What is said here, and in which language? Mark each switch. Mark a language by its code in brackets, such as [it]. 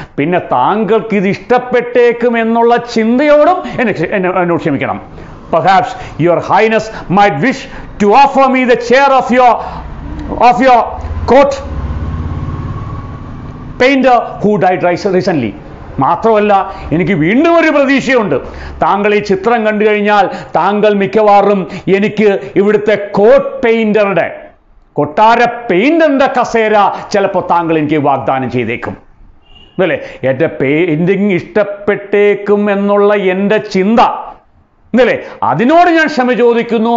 [ml] പിന്നെ താങ്കൾക്ക് ഇത് ഇഷ്ടപ്പെട്ടേക്കും എന്നുള്ള ചിന്തയോടും എന്നോട് ക്ഷമിക്കണം. [en] Perhaps your highness might wish to offer me the chair of your court painter who died recently. [ml] മാത്രമല്ല, എനിക്ക് വീണ്ടും ഒരു പ്രതീക്ഷയുണ്ട്. താങ്കൾ ഈ ചിത്രം കണ്ടു കഴിഞ്ഞാൽ താങ്കൾ മിക്കവാറും എനിക്ക് ഇവിടുത്തെ കോട്ട് പെയിൻ്ററുടെ കൊട്ടാര പെയിൻ്ററിൻ്റെ കസേര ചിലപ്പോൾ താങ്കൾ എനിക്ക് വാഗ്ദാനം ചെയ്തേക്കും. അല്ലേ, എൻ്റെ പെയിൻറ്റിങ് ഇഷ്ടപ്പെട്ടേക്കും എന്നുള്ള എൻ്റെ ചിന്ത, അല്ലേ, അതിനോട് ഞാൻ ക്ഷമ ചോദിക്കുന്നു.